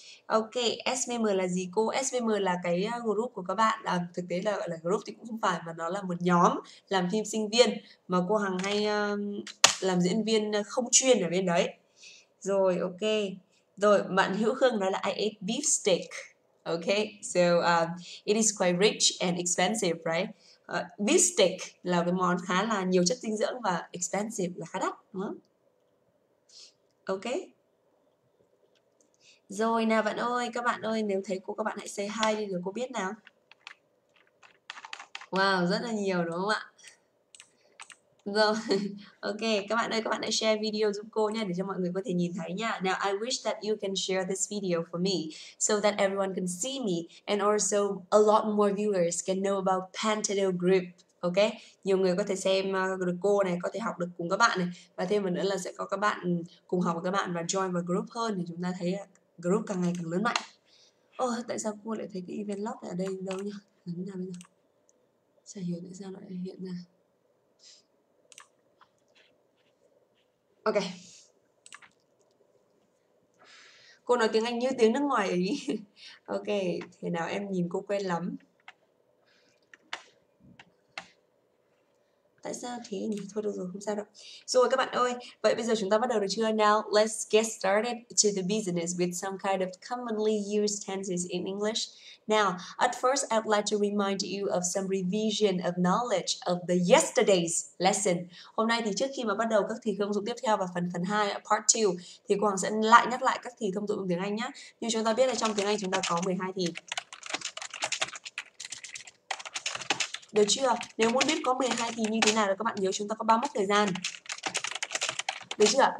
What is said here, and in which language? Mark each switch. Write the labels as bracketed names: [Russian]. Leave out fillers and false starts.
[Vietnamese] Ok, SVM là gì cô? SVM là cái group của các bạn. Thực tế là gọi là group thì cũng không phải, mà nó là một nhóm làm phim sinh viên mà cô Hằng hay làm diễn viên không chuyên ở bên đấy. Rồi, ok. Rồi, bạn Hữu Khương nói là [English] I ate beef steak. Ok, so it is quite rich and expensive, right? [Vietnamese] Beef steak là cái món khá là nhiều chất dinh dưỡng và expensive, là khá đắt, đúng không? Ok. Rồi nào bạn ơi, các bạn ơi, nếu thấy cô các bạn hãy [English] say hi [Vietnamese] đi rồi cô biết nào. Wow, rất là nhiều đúng không ạ? Rồi, ok, các bạn ơi, các bạn hãy share video giúp cô nha, để cho mọi người có thể nhìn thấy nha. [English] Now, I wish that you can share this video for me so that everyone can see me and also a lot more viewers can know about Pantano Group. [Vietnamese] Ok, nhiều người có thể xem được cô này, có thể học được cùng các bạn này. Và thêm một nữa là sẽ có các bạn cùng học với các bạn và join vào group hơn, thì chúng ta thấy group càng ngày càng lớn mạnh. Ồ, tại sao cô lại thấy cái event lock này ở đây đâu nhá? Đứng nào bây giờ? Chả hiểu tại sao lại hiện ra. Ok. Cô nói tiếng Anh như tiếng nước ngoài ấy. Ok, thế nào em nhìn cô quen lắm. Tại sao thế nhỉ? Thôi được rồi, không sao đâu. Rồi các bạn ơi, vậy bây giờ chúng ta bắt đầu được chưa? [English] Now, let's get started to the business with some kind of commonly used tenses in English. Now, at first, I'd like to remind you of some revision of knowledge of the yesterday's lesson. [Vietnamese] Hôm nay thì trước khi mà bắt đầu các thì thông dụng tiếp theo và phần phần 2, part 2, thì cô Hoàng sẽ lại nhắc lại các thì thông dụng tiếng Anh nhé. Như chúng ta biết là trong tiếng Anh chúng ta có 12 thì. Được chưa? Nếu muốn biết có 12 thì như thế nào thì các bạn nhớ chúng ta có 3 mốc thời gian. Được chưa?